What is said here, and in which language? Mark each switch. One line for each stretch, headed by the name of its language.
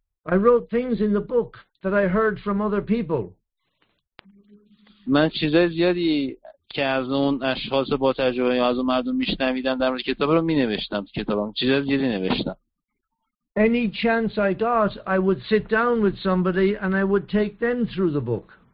English: I wrote things in the book that I heard from other people.
Persian: من چیزهای زیادی که از اون اشخاص با تجربه یا از اون مردم میشنویدم در مورد کتاب رو مینوشتم. کتابم چیزهای زیادی نوشتم.
English: Any chance I got, I would sit down with somebody and I would take them through the book.